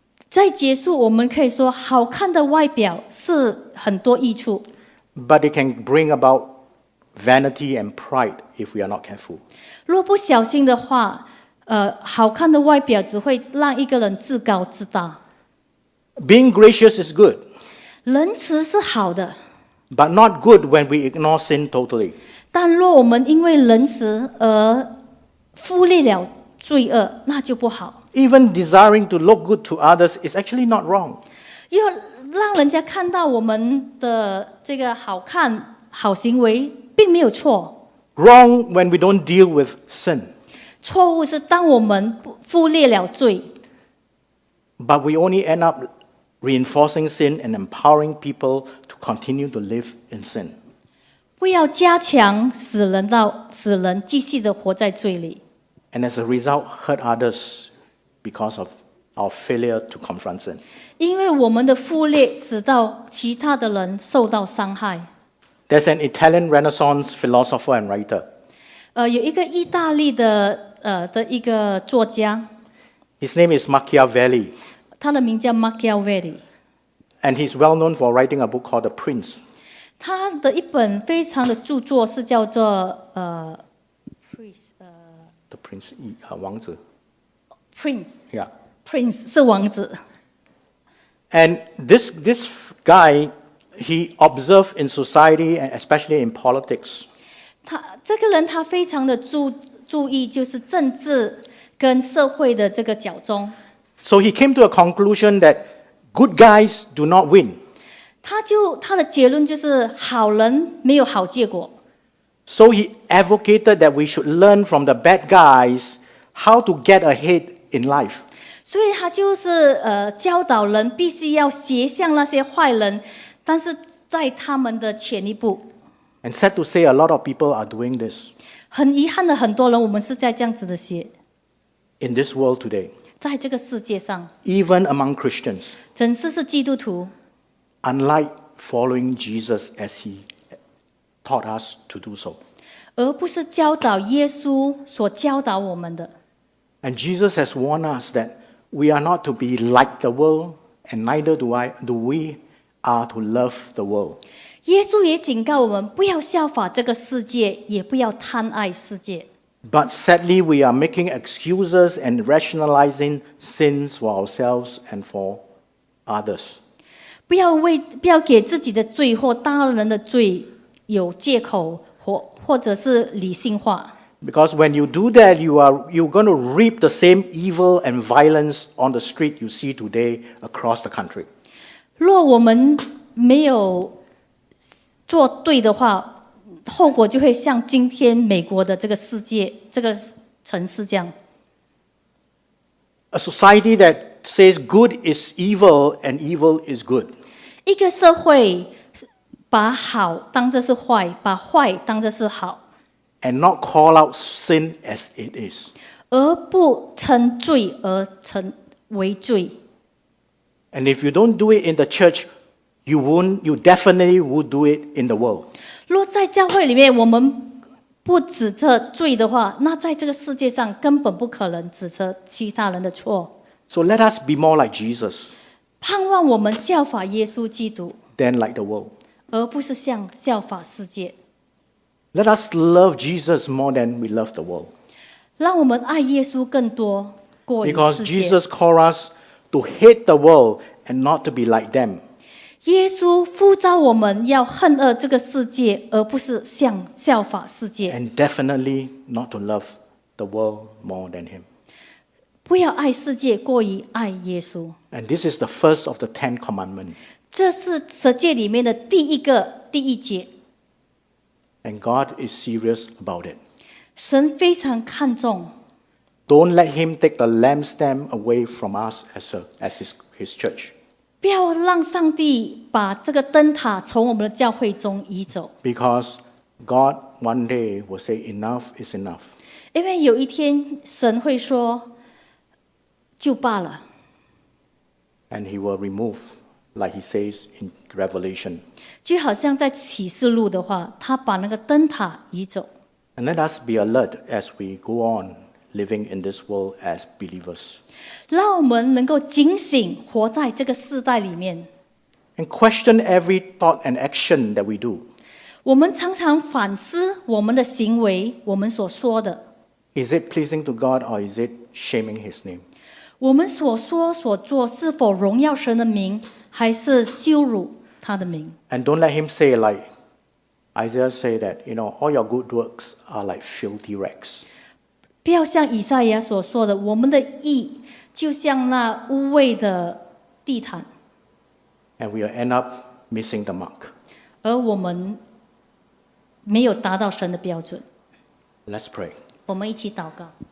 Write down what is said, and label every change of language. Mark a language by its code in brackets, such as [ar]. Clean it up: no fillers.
[zh] 在结束我们可以说好看的外表是很多益处。 [en] But it can bring about vanity and pride if we are not careful. [zh] 若不小心的话好看的外表只会让一个人自高自大。 [en] Being gracious is good. [zh] 仁慈是好的。 [en] But not good when we ignore sin totally. [zh] 但若我们因为仁慈而忽略了罪恶，那就不好。 [en] Even desiring to look good to others is actually not wrong. [zh] 要让人家看到我们的这个好看、好行为，并没有错。 [en] Wrong when we don't deal with sin. [zh] 错误是当我们忽略了罪。 [en] But we only end up reinforcing sin and empowering people to continue to live in sin. [zh] 不要加强使人继续的活在罪里。 [en] And as a result, hurt others because of our failure to confront sin. [zh] 因为我们的忽略使到其他的人受到伤害。 [en] There's an Italian Renaissance philosopher and writer. [zh] 有一个意大利的一个作家。 [en] His name is Machiavelli. [zh] 他的名叫 Machiavelli. [en] And he's well known for writing a book called The Prince. [zh] 他的一本非常的著作是叫做 The Prince, 王子。 [en] Prince. Yeah. [zh] Prince 是王子。 [en] And this guy, he observed in society and especially in politics. [zh] 他这个人他非常的注意就是政治。跟社会的这个角中。 [en] So he came to a conclusion that good guys do not win. [zh] 他的结论就是好人没有好结果。 [en] So he advocated that we should learn from the bad guys how to get ahead in life. [zh] 所以他就是教导人必须要学向那些坏人，但是在他们的前一步。 [en] And sad to say, a lot of people are doing this. [zh] 很遗憾的，很多人我们是在这样子的学。 [en] In this world today, [zh] 在这个世界上, [en] even among Christians, [zh] 整是是基督徒, [en] unlike following Jesus as he taught us to do so, [zh] 而不是教导耶稣所教导我们的。 [en] And Jesus has warned us that we are not to be like the world, and neither do we are to love the world. [zh] 耶稣也警告我们不要效法这个世界，也不要贪爱世界。 [en] But sadly, we are making excuses and rationalizing sins for ourselves and for others. [zh] 不要给自己的罪或他人的罪有借口或者是理性化。 [en] Because when you do that, you're going to reap the same evil and violence on the street you see today across the country. [zh] 若我们没有做对的话，后果就会像今天美国的这个世界这个城市这样。 [en] A society that says good is evil and evil is good. [zh] 一个社会把好当作是坏，把坏当作是好。 [en] And not call out sin as it is. [zh] 而不称罪而称为罪。 [en] And if you don't do it in the church, you definitely would do it in the world. [zh] 若在教会里面我们不指责罪的话，那在这个世界上根本不可能指责其他人的错。 [en] So let us be more like Jesus. [zh] 盼望我们效法耶稣基督。 [en] Than like the world. [zh] 而不是像效法世界。 [en] Let us love Jesus more than we love the world. [zh] 让我们爱耶稣更多，过于世界。 [en] Because Jesus called us to hate the world and not to be like them. [zh] 耶稣呼召我们要恨恶这个世界，而不是像效法世界。 [en] And definitely not to love the world more than him. [zh] 不要爱世界过于爱耶稣。 [en] And this is the first of the Ten Commandments. [zh] 这是十诫里面的第一个第一节。 [en] And God is serious about it. [zh] 神非常看重。 [en] Don't let him take the lampstand away from us as his church. [zh] 不要让上帝把这个灯塔从我们的教会中移走。 [en] Because God one day will say enough is enough. [zh] 因为有一天神会说就罢了。 [en] And he will remove. Like he says in Revelation. [zh] 就好像在启示录的话，他把那个灯塔移走。 [en] And let us be alert as we go on living in this world as believers. [zh] 让我们能够警醒，活在这个世代里面。 [en] And question every thought and action that we do. [zh] 我们常常反思我们的行为，我们所说的。 [en] Is it pleasing to God or is it shaming his name? [zh] 我们所说所做是否荣耀神的名，还是羞辱他的名 [en] ？And don't let him say like Isaiah say that you know all your good works are like filthy rags. [zh] 不要像以赛亚所说的，我们的义就像那污秽的地毯。 [en] And we will end up missing the mark. [zh] 而我们没有达到神的标准。 [en] Let's pray. [zh] 我们一起祷告。